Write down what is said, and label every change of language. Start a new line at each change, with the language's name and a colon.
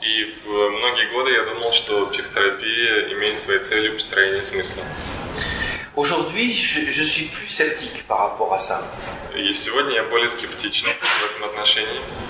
Russian: И многие годы я думал, что психотерапия имеет своей целью построение смысла.
French: Aujourd'hui, je suis plus sceptique par rapport à ça.
Russian: И сегодня я более скептичен в этом отношении.